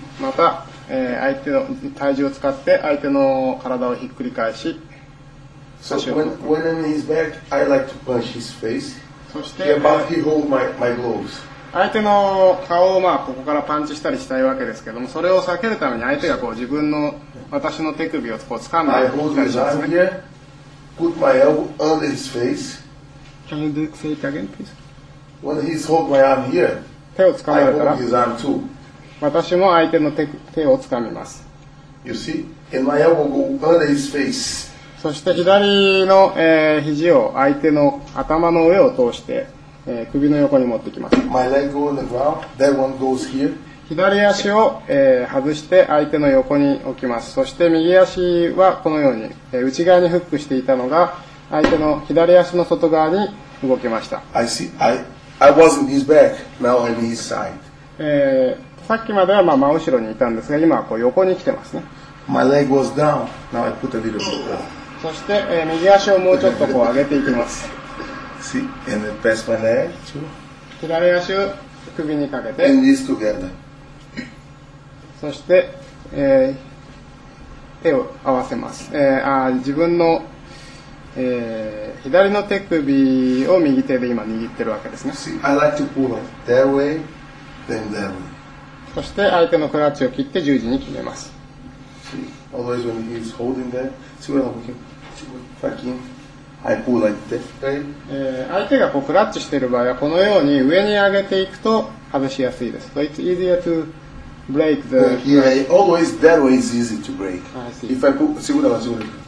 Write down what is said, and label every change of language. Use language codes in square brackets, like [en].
[ja] また、相手の体重を使って相手の体をひっくり返し、 [en] so、when in his back, I like to punch his face. [ja] そして、 [en] yeah, but he hold my gloves. [ja] 相手の顔をまあここからパンチしたりしたいわけですけども、それを避けるために相手がこう自分の私の手首をこう掴んで、 [en] I hold his arm here, put my elbow under his face. Can you say it again, please? When he's hold my arm here, [ja] 手を掴まれたら [en] I hold his arm too. [ja] 私も相手の 手を掴みます。 [en] You see? And my elbow go under his face. [ja] そして左の、肘を相手の頭の上を通して首の横に持ってきます。 [en] My leg on the ground, that one goes here. [ja] 左足を、外して相手の横に置きます。そして右足はこのように、内側にフックしていたのが相手の左足の外側に動きました。 [en] I see. I was in his back, now I'm in his side. [ja] さっきまではまあ真後ろにいたんですが、今はこう横に来てますね。 [en] My leg was down, now I put a little bit down. [ja] そして、右足をもうちょっとこう上げていきます。 [en] See, and pass my leg too. [ja] 左足を首にかけて、 [en] and this together. [ja] そして、手を合わせます。自分の、左の手首を右手で今握ってるわけですね。 [en] See, I like to pull it that way, then that way. [ja] そして相手のクラッチを切って十字に決めます。 [en] See, always when he's holding that, see what I'm fucking. I pull like that. [ja] 相手がこうクラッチしている場合はこのように上に上げていくと外しやすいです。 [en] So it's easier to break the. Yeah, always that way is easy to break. I see. If I pull, see what I was doing.